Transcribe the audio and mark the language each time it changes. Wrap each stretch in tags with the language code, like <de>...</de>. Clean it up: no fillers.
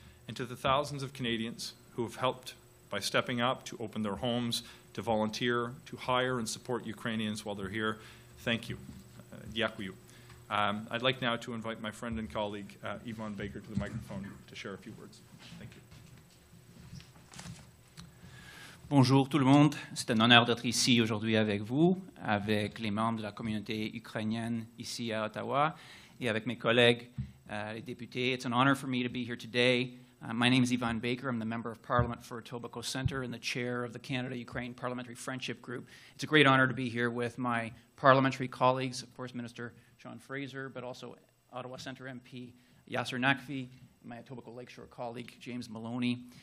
<en>And to the thousands of Canadians who have helped by stepping up to open their homes, to volunteer, to hire and support Ukrainians while they're here, thank you.</en> <uk>Дякую.</uk> <en>I'd like now to invite my friend and colleague, Yvonne Baker, to the microphone to share a few words. Thank you.</en> <fr>Bonjour tout le monde. C'est un honneur d'être ici aujourd'hui avec vous, avec les membres de la communauté ukrainienne ici à Ottawa, et avec mes collègues, les députés.</fr> <en>It's an honor for me to be here today. My name is Yvonne Baker. I'm the Member of Parliament for Etobicoke Centre and the Chair of the Canada-Ukraine Parliamentary Friendship Group. It's a great honor to be here with my parliamentary colleagues, of course, Minister Sean Fraser, but also Ottawa Centre MP Yasser Naqvi, my Etobicoke Lakeshore colleague, James Maloney.</en>